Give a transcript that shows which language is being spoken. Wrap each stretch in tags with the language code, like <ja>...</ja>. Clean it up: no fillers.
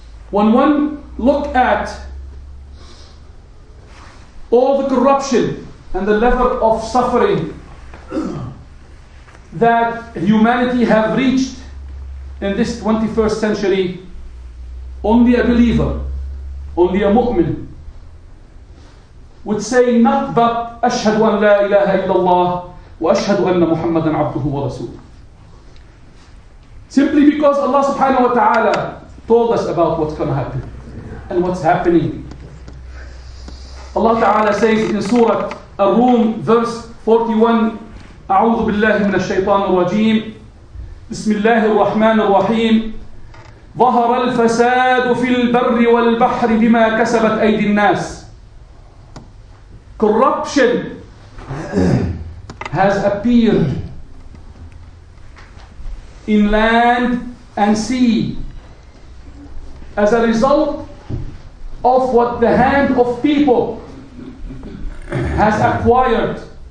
<en>When one look at all the corruption and the level of suffering that humanity have reached in this 21st century, only a believer, only a mu'min would say not but</en> <ar>أشهد أن لا إله إلا الله وأشهد أن محمدًا عبده ورسوله.</ar> <en>Simply because Allah subhanahu wa ta'ala told us about what's going to happen and what's happening. Allah Ta'ala says in Surah Ar-Rum, verse 41,</en> <ar>أعوذ بالله من الشيطان الرجيم بسم الله الرحمن الرحيم ظهر الفساد في البر والبحر بما كسبت أيدي الناس.</ar> <en>Corruption has appeared in land and sea as a result of what the hand of people has acquired.</en>